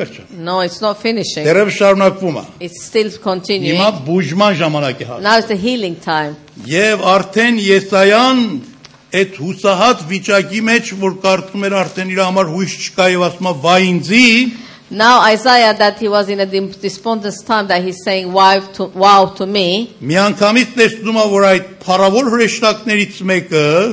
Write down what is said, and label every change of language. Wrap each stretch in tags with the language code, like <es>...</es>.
<en>No, it's not finishing. It's still continuing. Now it's the healing time.</en> <hy>Եվ արդեն Եսայան այդ հուսահատ վիճակի մեջ, որ կարծում էր արդեն իր համար հույս չկա եւ ասում է վայ ինձ,</hy> <en>Now Isaiah that he was in a despondent time that he's saying wow to me.</en> <hy>Մի անգամից տեսնում է որ այդ փառավոր հրեշտակներից մեկը</hy>